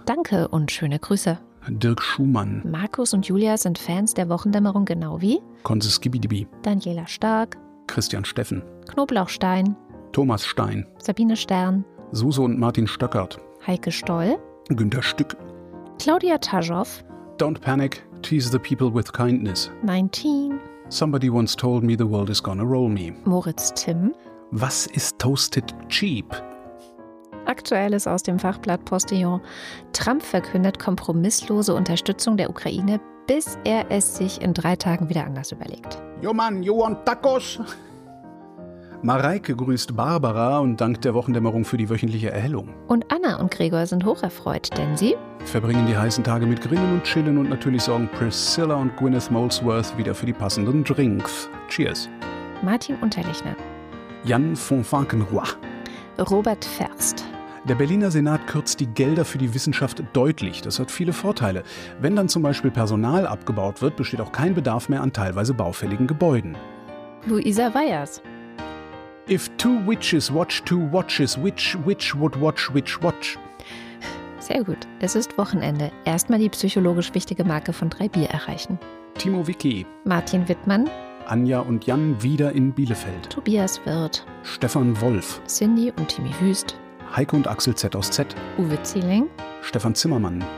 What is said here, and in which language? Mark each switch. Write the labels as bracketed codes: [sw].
[de] Danke und schöne Grüße. Dirk Schumann. Markus und Julia sind Fans der Wochendämmerung genau wie Konsis Gibidibi, Daniela Stark, Christian Steffen, Knoblauchstein, Thomas Stein, Sabine Stern, Suse und Martin Stöckert, Heike Stoll, Günter Stück, Claudia Taschow, [en] Don't Panic, Tease the People with Kindness, 19, Somebody Once Told Me the World is Gonna Roll Me, [de] Moritz Timm, Was ist Toasted Cheap? Aktuelles aus dem Fachblatt Postillon. Trump verkündet kompromisslose Unterstützung der Ukraine, bis er es sich in 3 Tagen wieder anders überlegt. [en] Yo man, you want tacos? [de] Mareike grüßt Barbara und dankt der Wochendämmerung für die wöchentliche Erhellung. Und Anna und Gregor sind hocherfreut, denn sie verbringen die heißen Tage mit Grillen und Chillen und natürlich sorgen Priscilla und Gwyneth Molesworth wieder für die passenden Drinks. [en] Cheers. [de] Martin Unterlechner. Jan von Falkenroy. Robert Ferst. Der Berliner Senat kürzt die Gelder für die Wissenschaft deutlich. Das hat viele Vorteile. Wenn dann zum Beispiel Personal abgebaut wird, besteht auch kein Bedarf mehr an teilweise baufälligen Gebäuden. Luisa Weyers. [en] If two witches watch two watches, which witch would watch which watch? [de] Sehr gut. Es ist Wochenende. Erstmal die psychologisch wichtige Marke von 3 Bier erreichen. Timo Wicki. Martin Wittmann. Anja und Jan wieder in Bielefeld. Tobias Wirth. Stefan Wolf. Cindy und Timi Wüst. Heike und Axel Z aus Z. Uwe Zieling. Stefan Zimmermann.